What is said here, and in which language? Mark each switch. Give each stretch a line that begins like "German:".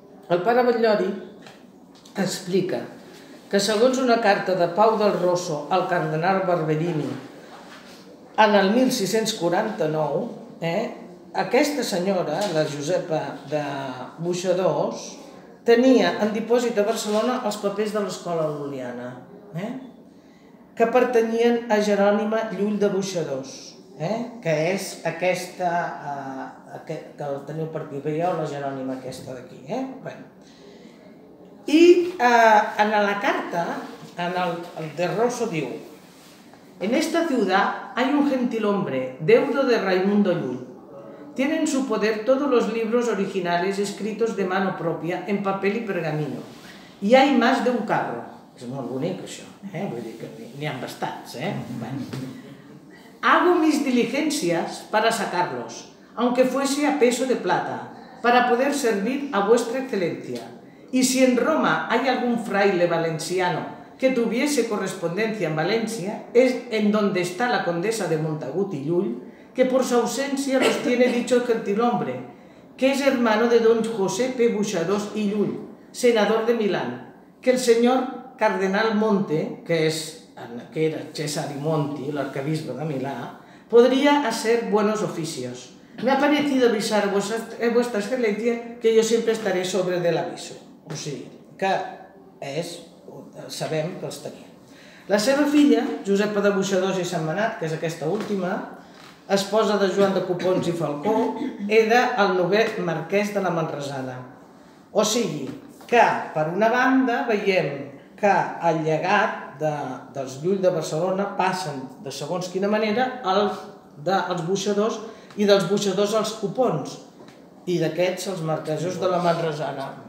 Catalan: El pare Batllori explica que segons una carta de Pau del Rosso al cardenal Barberini en el 1649, aquesta senyora, la Josepa de Buixadors, tenia en dipòsit a Barcelona els papers de l'escola lul·liana, que pertanyien a Jerònima Llull de Buixadors, que és aquesta, que el teniu per aquí, veieu la Jerònima aquesta d'aquí. I en la carta, en el de Rosso diu:
Spanish: en esta ciudad hay un gentilhombre, deudo de Raimundo Llull. Tiene en su poder todos los libros originales escritos de mano propia en papel y pergamino. Y hay más de un carro.
Catalan: És molt bonic això, vull dir que n'hi ha bastants.
Spanish: Hago mis diligencias para sacarlos, aunque fuese a peso de plata, para poder servir a vuestra excelencia. Y si en Roma hay algún fraile valenciano que tuviese correspondencia en Valencia, es en donde está la condesa de Montagut y Llull, que por su ausencia los tiene dicho gentilhombre, que es hermano de don José P. Buixadors y Llull, senador de Milán, que el señor cardenal Monte, que era Cesare Monti,
Catalan: l'arcabisbe de Milà,
Spanish: podría hacer buenos oficios. Me ha parecido avisar vuestra excelencia que yo siempre estaré sobre del aviso.
Catalan: O sigui, que és, sabem que els tenia. La seva filla, Josepa de Buixadors i Sentmenat, que és aquesta última, esposa de Joan de Copons i Falcó, era el novè marquès de la Manresana. O sigui, que per una banda veiem que el llegat dels Llull de Barcelona passen de segons quina manera als buixadors i dels buixadors als Copons i d'aquests als marquesos de la Manresana.